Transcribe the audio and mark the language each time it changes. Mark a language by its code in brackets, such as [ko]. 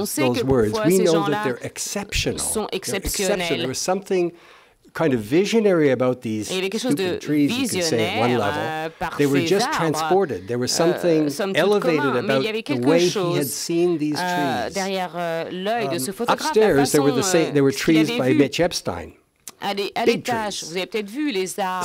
[fr] On sait que parfois ces gens-là sont exceptionnels. [en] There was something kind of visionary about these stupid trees, you could say, at one level. They were just transported. There was something elevated about the way he had seen these trees. [fr] Derrière l'œil de ce photographe, [en] upstairs, there were trees by Mitch Epstein. [fr] À l'étage, vous avez peut-être vu les arbres d'Epstein.